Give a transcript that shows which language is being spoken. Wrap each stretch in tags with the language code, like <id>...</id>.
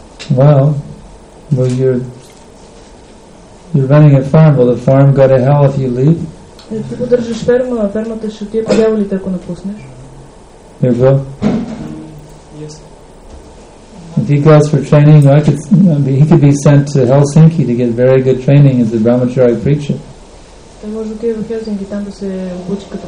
<en>Well, you're running a farm. Will the farm go to hell if you leave?</en> <bg>Ти поддържаш ферма, а фермата ще ти е подявали, ако напуснеш.</bg> <en>It will? Yes. If he goes for training, he could be sent to Helsinki to get very good training as a brahmachari preacher.</en> <bg>Той може да отиде в Хелсинки, там да се обучи като</bg>